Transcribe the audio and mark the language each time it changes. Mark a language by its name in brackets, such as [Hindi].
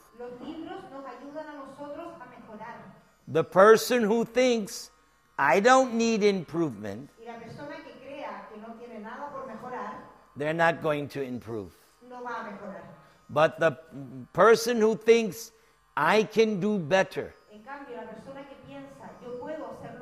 [Spanish] Los libros nos ayudan a nosotros a mejorar. [English] The person who thinks, I don't need improvement, [Spanish] y la persona que crea que no tiene nada por mejorar, [English] they're not going to improve. [Spanish] No va a mejorar. [English] But the person who thinks, I can do better, [Spanish] en cambio, la persona que piensa, yo puedo,